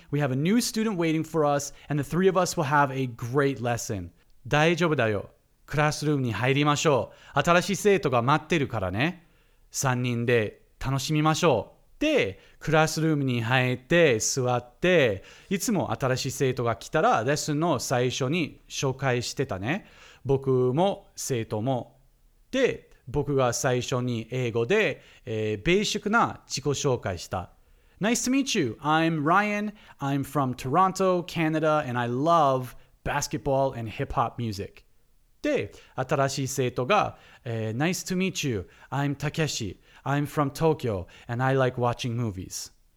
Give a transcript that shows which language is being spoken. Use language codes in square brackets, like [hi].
[en] We have a new student waiting for us, and the three of us will have a great lesson. [ja] 大丈夫だよ。クラスルームに入りましょう。新しい生徒が待ってるからね。 3人で楽しみましょう。で、クラスルームに入って座って、いつも新しい生徒が来たらレッスンの最初に紹介してたね。僕も生徒も。で、僕が最初に英語で、ベーシックな自己紹介した。 [en] Nice to meet you. I'm Ryan. I'm from Toronto, Canada, and I love basketball and hip-hop music. [ja] で、新しい生徒が、 Nice to meet you. I'm Takeshi. [en] I'm from Tokyo, and I like watching movies.